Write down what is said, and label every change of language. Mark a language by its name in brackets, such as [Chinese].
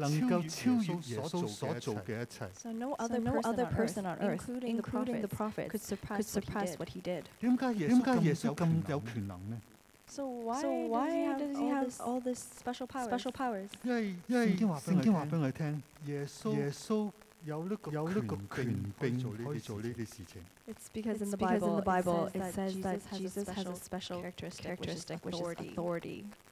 [Cantonese] 世上冇其他嘅人，甚至喺舊裏邊嘅先知，能夠超越耶穌所做嘅一切。 [English] So no other person on earth, including the prophets, could surpass what he did. [Cantonese] 點解耶穌咁有權能呢？ [English] So why does he have all these special powers? [Cantonese] 因為聖經話俾我聽，耶穌。有呢個權柄可以做呢啲事情。 [English] It's because in the Bible, it says that Jesus has a special characteristic, which is authority.